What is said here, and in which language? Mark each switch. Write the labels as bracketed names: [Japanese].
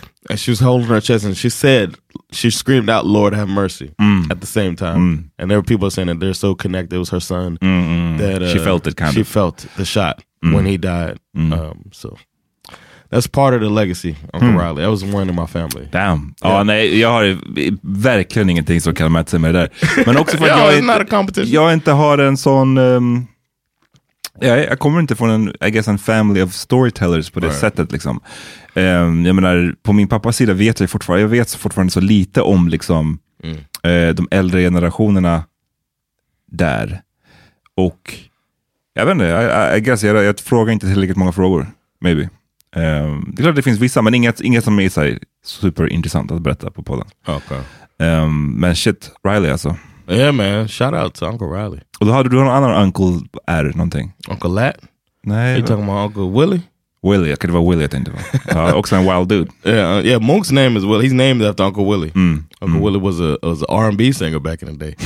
[English] And she was holding her chest, and she said, she screamed out, "Lord, have mercy!" At the same time, and there were people saying that they're so connected. It was her son that she felt it. Kind she of. Felt the shot when he died. So that's part of the legacy, Uncle Riley. That was one in my family. Damn. Yeah. [Swedish] Oh, nej, jag har verkligen ingenting som kan mäta sig med det. Men också för [English] yeah, [Swedish] jag [English] it's not a competition. [Swedish] Jag inte har en sån. Jag kommer inte från en, [English] I guess, [Swedish] en [English] family of storytellers [Swedish] på det sättet liksom. Jag menar, på min pappas sida vet jag fortfarande, så lite om liksom de äldre generationerna där. Och jag vet inte, jag frågar inte tillräckligt många frågor, maybe. Det är klart att det finns vissa, men inget som är så superintressant att berätta på podden. [English] Okay. [Swedish] Men shit, Riley alltså. [English] Yeah, man. Shout out to Uncle Riley. Well, how do you have another uncle added? Uncle Lat? Nah. You talking about Uncle Willie? [Swedish] Willie, okay, det var Willie jag tänkte på. Också en [English] wild dude. Yeah, Monk's name is Willie. He's named after Uncle Willie. Mm. Uncle Willie was an R&B singer back in the day.